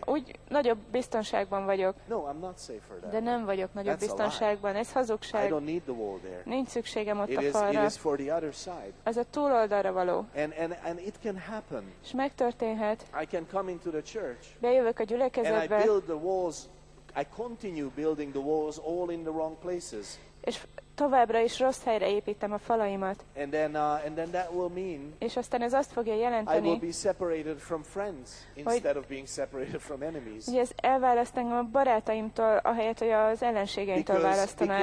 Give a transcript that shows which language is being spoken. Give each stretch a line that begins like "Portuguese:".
Hungarian: Úgy nagyobb biztonságban vagyok.
English: No, I'm not safer that
Hungarian: de nem vagyok nagyobb
English: that's
Hungarian: biztonságban. Ez hazugság.
English: I don't need the wall there.
Hungarian: Nincs szükségem ott
English: it
Hungarian: a falra.
English: It is for the other side.
Hungarian: Az a túloldalra való.
English: And it can happen.
Hungarian: És megtörténhet.
English: I can come into the church.
Hungarian: Bejövök a gyülekezetbe.
English: And I build the walls. I continue building the walls all in the wrong places.
Hungarian: És továbbra is rossz helyre építem a falaimat.
English: And then that will mean,
Hungarian: és aztán ez azt fogja jelenteni,
English: I will be separated from friends instead of being separated from enemies.
Hungarian: Hogy ez elválaszt engem a barátaimtól, ahelyett, hogy az ellenségeimtől választaná el.